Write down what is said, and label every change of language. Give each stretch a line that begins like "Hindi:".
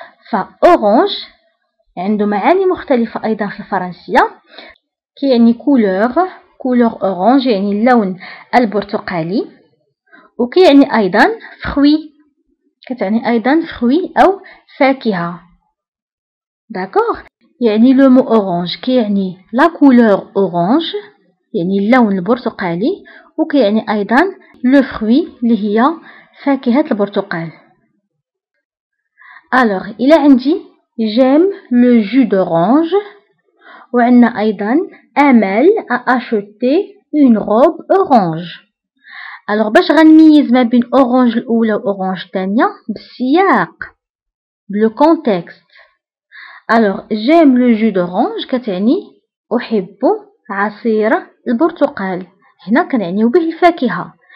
Arabic: فأورانج عنده معاني مختلفة أيضا في الفرنسية، كي يعني كولور، كولور أورانج يعني اللون البرتقالي، وكي يعني أيضا فخوي، كتعني أيضا فخوي أو فاكهة. داكوغ؟ يعني
French: لو مو أورانج كي يعني لا كولور أورانج،
Arabic: يعني اللون البرتقالي، وكي يعني أيضا
French: لو فخوي
Arabic: اللي هي فاكهة البرتقال. ألوغ إلا عندي
French: J'aime le jus d'orange.
Arabic: وعندنا أيضا أمل
French: أشتي أون روب أورانج.
Arabic: ألوغ باش غنميز ما بين أورانج الأولى و أورانج التانية بالسياق
French: بلو كونتكست.
Arabic: ألوغ
French: J'aime le jus d'orange
Arabic: كتعني أحب عصير البرتقال، هنا كنعنيو به الفاكهة.